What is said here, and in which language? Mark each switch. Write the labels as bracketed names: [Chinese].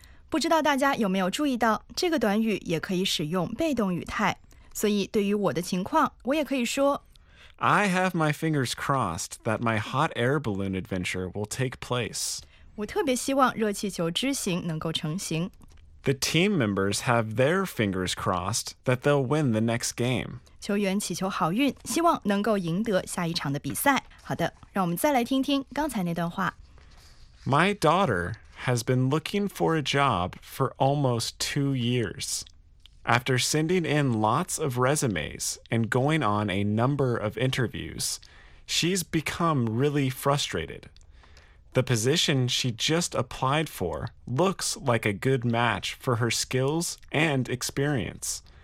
[Chinese] 不知道大家有没有注意到，这个短语也可以使用被动语态。所以，对于我的情况，我也可以说 [English] I have my fingers crossed that my hot air balloon adventure will take place. [Chinese] 我特别希望热气球之行能够成行。 [English] The team members have their fingers crossed that they'll win the next game. [Chinese] 球员祈求好运，希望能够赢得下一场的比赛。好的，让我们再来听听刚才那段话。 [English] My daughter has been looking for a job for almost 2 years. After sending in lots of resumes and going on a number of interviews, she's become really frustrated. The position she just applied for looks like a good match for her skills and experience.